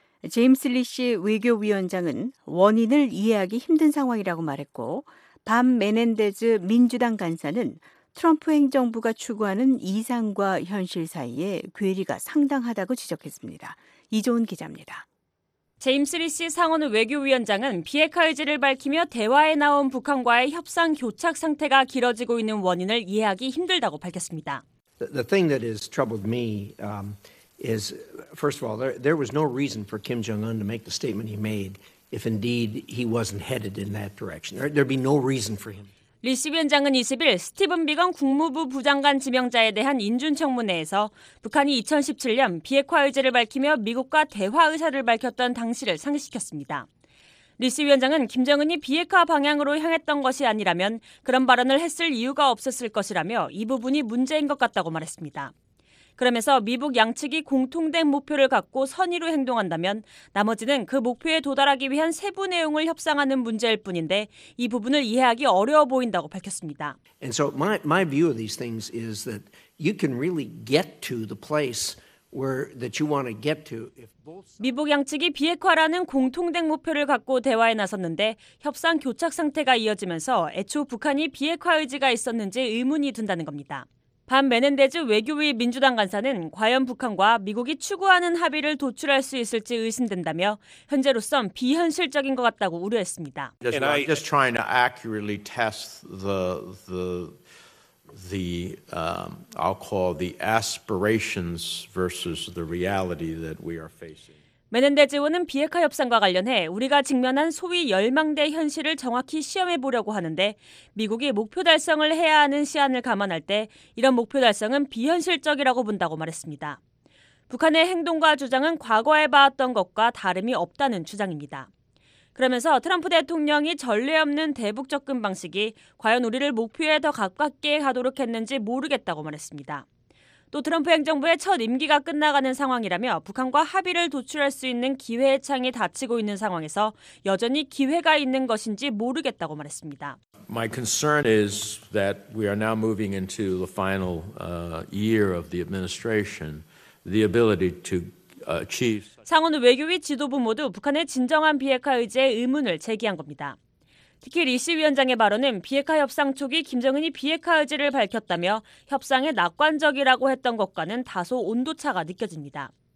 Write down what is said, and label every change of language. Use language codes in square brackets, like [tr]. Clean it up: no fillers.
[ko] 제임스 리 씨 외교위원장은 원인을 이해하기 힘든 상황이라고 말했고 밤 메넨데즈 민주당 간사는 트럼프 행정부가 추구하는 이상과 현실 사이에 괴리가 상당하다고 지적했습니다. 이종훈 기자입니다. 제임스 리 씨 상원 외교위원장은 비핵화 의지를 밝히며 대화에 나온 북한과의 협상 교착 상태가 길어지고 있는 원인을 이해하기 힘들다고 밝혔습니다. [en] The thing that has troubled me is first of all there was no reason for Kim Jong-un to make the statement he made if indeed he wasn't headed in that direction. There'd be no reason for him. [ko] 리 씨 위원장은 20일 스티븐 비건 국무부 부장관 지명자에 대한 인준청문회에서 북한이 2017년 비핵화 의지를 밝히며 미국과 대화 의사를 밝혔던 당시를 상기시켰습니다. 리 씨 위원장은 김정은이 비핵화 방향으로 향했던 것이 아니라면 그런 발언을 했을 이유가 없었을 것이라며 이 부분이 문제인 것 같다고 말했습니다. 그러면서 미북 양측이 공통된 목표를 갖고 선의로 행동한다면 나머지는 그 목표에 도달하기 위한 세부 내용을 협상하는 문제일 뿐인데 이 부분을 이해하기 어려워 보인다고 밝혔습니다. [en] And so my view of these things is that you can really get to the place where that you want to get to if both [ko] 미북 양측이 비핵화라는 공통된 목표를 갖고 대화에 나섰는데 협상 교착 상태가 이어지면서 애초 북한이 비핵화 의지가 있었는지 의문이 든다는 겁니다. 밤 메넨데즈 외교위 민주당 간사는 과연 북한과 미국이 추구하는 합의를 도출할 수 있을지 의심된다며 현재로선 비현실적인 것 같다고 우려했습니다. [en] And I'm just trying to accurately test the I'll call the aspirations versus the reality that we are facing. [ko] 메넨데즈 의원은 비핵화 협상과 관련해 우리가 직면한 소위 열망대 현실을 정확히 시험해보려고 하는데 미국이 목표 달성을 해야 하는 시안을 감안할 때 이런 목표 달성은 비현실적이라고 본다고 말했습니다. 북한의 행동과 주장은 과거에 봐왔던 것과 다름이 없다는 주장입니다. 그러면서 트럼프 대통령이 전례 없는 대북 접근 방식이 과연 우리를 목표에 더 가깝게 가도록 했는지 모르겠다고 말했습니다. 또 트럼프 행정부의 첫 임기가 끝나가는 상황이라며 북한과 합의를 도출할 수 있는 기회의 창이 닫히고 있는 상황에서 여전히 기회가 있는 것인지 모르겠다고 말했습니다. [en] My concern is that we are now moving into the final year of the administration. The ability to achieve [ko] 상원 외교위 지도부 모두 북한의 진정한 비핵화 의지에 의문을 제기한 겁니다. 특히 리 씨 위원장의 발언은 비핵화 협상 초기 김정은이 비핵화 의지를 밝혔다며 협상에 낙관적이라고 했던 것과는 다소 온도차가 느껴집니다.